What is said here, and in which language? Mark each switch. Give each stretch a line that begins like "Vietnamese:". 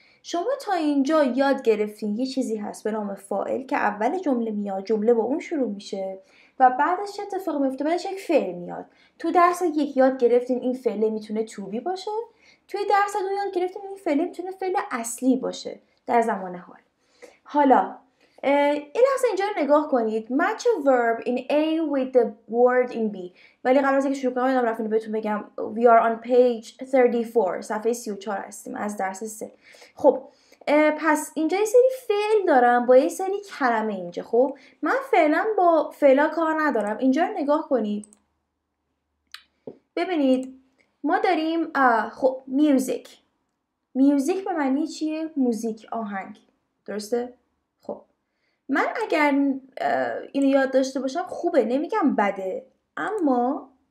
Persian: شما تا اینجا یاد گرفتین یه چیزی هست به نام فاعل که اول جمله میاد، جمله با اون شروع میشه و بعدش چه اتفاق میفته؟ بعدش یک فعل میاد. تو درس یک یاد گرفتیم این فعل میتونه to be باشه. توی درس دو یاد گرفتیم این فعل میتونه فعل اصلی باشه در زمان حال. حالا این لحظه اینجا نگاه کنید.
English: Match a verb in A with the word in B.
Persian: ولی قبل از اینکه شروع کنم میدونم رفتیم بهتون بگم
English: We are on page 34.
Persian: صفحه 34 هستیم از درس 3. خب پس اینجا یه سری فعل دارم با یه سری کلمه اینجا. خب من فعلا با فعلا کار ندارم. اینجا رو نگاه کنید، ببینید ما داریم خب میوزیک به معنی چیه؟ موزیک، آهنگ، درسته؟ خب من اگر اینو یاد داشته باشم خوبه، نمیگم بده، اما